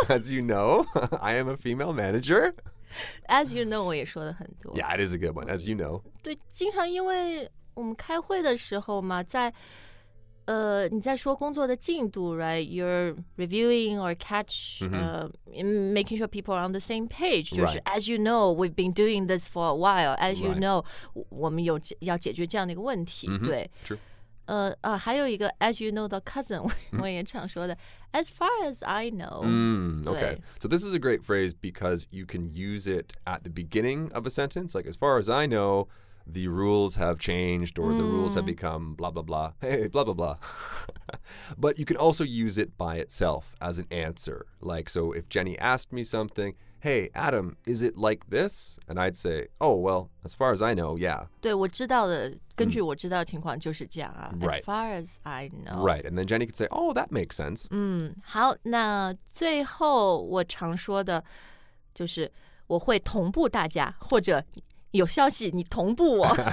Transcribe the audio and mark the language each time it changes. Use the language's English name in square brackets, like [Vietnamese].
[English] As you know, I am a female manager. As you know, [Chinese] 我也说的很多。 [English] Yeah, it is a good one, as you know. [Chinese] 对，经常因为我们开会的时候嘛，在你在说工作的进度 [English] right? You're reviewing or catch, making sure people are on the same page. [Chinese] 就是、 [English] right. as you know, we've been doing this for a while. As you、right. know, [Chinese] 我们有要解决这样的一个问题、 mm-hmm. 对。 [English] True. [Chinese] 还有一个 [English] as you know, the cousin, [Chinese] 我也常说的。 [English] As far as I know. Okay. So this is a great phrase because you can use it at the beginning of a sentence. Like, as far as I know, the rules have changed or the rules have become blah, blah, blah. Hey, blah, blah, blah. But you can also use it by itself as an answer. Like, so if Jenny asked me something, hey, Adam, is it like this? And I'd say, oh, well, as far as I know, yeah. [Chinese] 对，我知道的，根据我知道的情况就是这样啊。 [English] Right. As far as I know. Right, and then Jenny could say, oh, that makes sense. [Chinese] 好，那最后我常说的就是我会同步大家，或者有消息你同步我。